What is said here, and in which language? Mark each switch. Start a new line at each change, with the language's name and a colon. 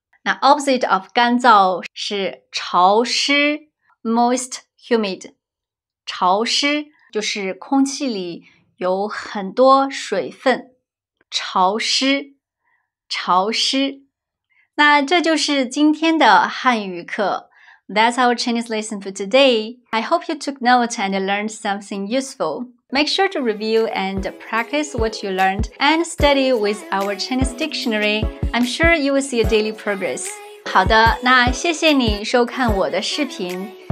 Chinese: 那
English: opposite of
Chinese: 干燥是潮湿。
English: Moist, humid,
Chinese: 潮湿就是空气里有很多水分，潮湿，潮湿。那这就是今天的汉语课。
English: That's our Chinese lesson for today. I hope you took notes and learned something useful. Make sure to review and practice what you learned and study with our Chinese dictionary. I'm sure you will see a daily progress.
Chinese: 好的，那谢谢你收看我的视频。